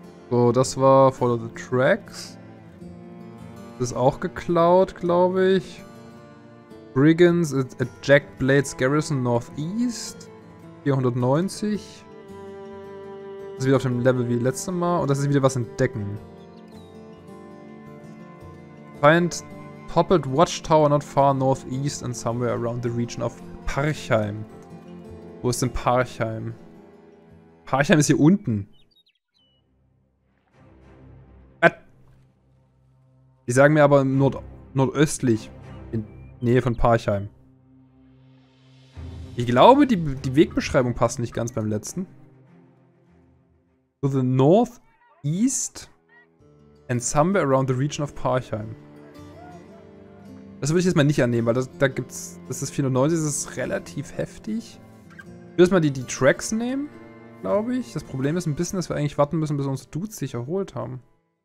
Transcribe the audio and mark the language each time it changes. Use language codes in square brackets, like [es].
[de] So, das war Follow the Tracks. Das ist auch geklaut, glaube ich. [en] Brigands at Jack Blades Garrison Northeast. [de] 490. Das ist wieder auf dem Level wie letztes Mal. Und das ist wieder was entdecken. [en] Find Toppled Watchtower not far northeast and somewhere around the region of Parchheim. [de] Wo ist denn Parchheim? Parchheim ist hier unten. Die sagen mir aber nordöstlich, in Nähe von Parchheim. Ich glaube, die Wegbeschreibung passt nicht ganz beim letzten. [en] To the northeast and somewhere around the region of Parchheim. [de] Das würde ich jetzt mal nicht annehmen, weil das ist 490, das ist relativ heftig. Ich würde mal die Tracks nehmen, glaube ich. Das Problem ist ein bisschen, dass wir eigentlich warten müssen, bis unsere Dudes sich erholt haben.